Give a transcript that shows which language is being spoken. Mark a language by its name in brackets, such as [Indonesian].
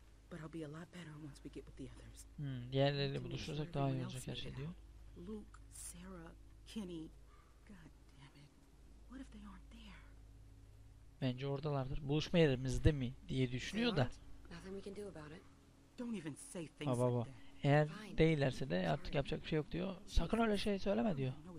[English] But I'll be a lot better once we get with the others. [Turkish] Diğerleriyle buluşursak daha iyi olacak her şey diyor. [English] Luke, Sarah, Kenny. God damn it. What if they aren't there? [Turkish] Bence oradalardır. Buluşma yerimizde mi diye düşünüyor da. [English] Nothing we can do about it. Don't even say things like that. [Turkish] Eğer değillerse de artık yapacak bir şey yok diyor. Sakın öyle şey söyleme diyor.